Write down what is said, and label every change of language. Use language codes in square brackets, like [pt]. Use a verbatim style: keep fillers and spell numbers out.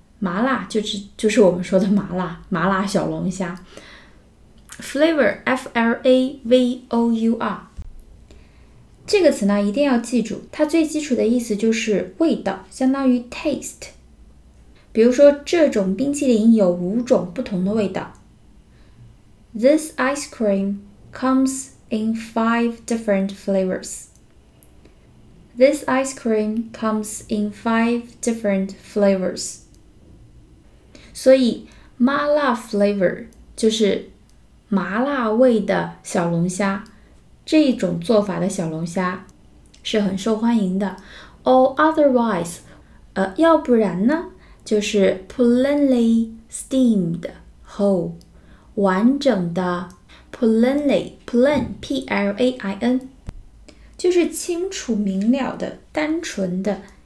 [zh] 麻辣就是就是我们说的麻辣麻辣小龙虾 [en] flavor f l a v o u r [zh] 这个词呢一定要记住，它最基础的意思就是味道，相当于 taste。比如说这种冰淇淋有五种不同的味道， [en] This ice cream comes in five different flavors. This ice cream comes in five different flavors. [zh] 所以麻辣 flavor 就是麻辣味的小龙虾，这种做法的小龙虾是很受欢迎的。 [en] Or otherwise， [zh] 呃，要不然呢，就是 [en] plainly steamed whole， [zh] 完整的 plainly plain p l a i n， 就是清楚明了的、单纯的。